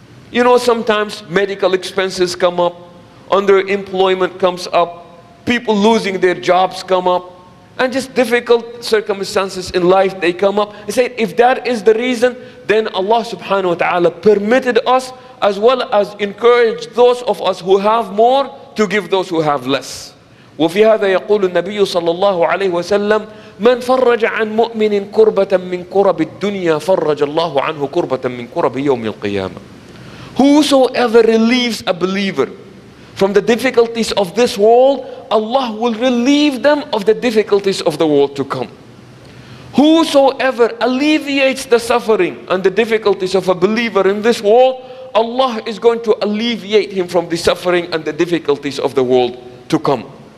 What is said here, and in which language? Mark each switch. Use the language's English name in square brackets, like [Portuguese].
[English] You know, sometimes medical expenses come up, underemployment comes up, people losing their jobs come up, and just difficult circumstances in life, they come up. They say, if that is the reason, then Allah subhanahu wa ta'ala permitted us as well as encouraged those of us who have more to give those who have less. [Arabic] وفي هذا يقول النبي صلى الله عليه وسلم من فرج عن مؤمن كربة من كرب الدنيا فرج الله عنه كربة من كرب يوم القيامة. [English] Whosoever relieves a believer from the difficulties of this world, Allah will relieve them of the difficulties of the world to come. Whosoever alleviates the suffering and the difficulties of a believer in this world, Allah is going to alleviate him from the suffering and the difficulties of the world to come.